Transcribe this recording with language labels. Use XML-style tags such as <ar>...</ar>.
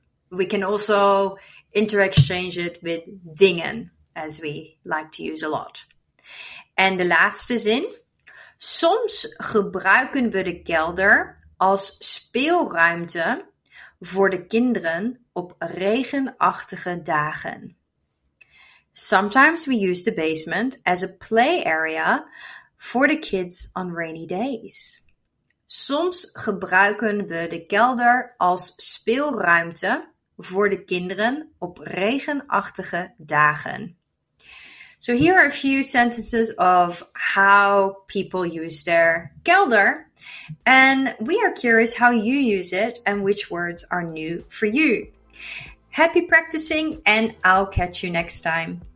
<en>We can also interexchange it with dingen, as we like to use a lot.</en> <nl>En de laatste zin. Soms gebruiken we de kelder als speelruimte voor de kinderen op regenachtige dagen.</nl> <en>Sometimes we use the basement as a play area for the kids on rainy days.</en> <nl>Soms gebruiken we de kelder als speelruimte voor de kinderen op regenachtige dagen.</nl> <en>So here are a few sentences of how people use their kelder. And we are curious how you use it and which words are new for you. Happy practicing and I'll catch you next time.</en>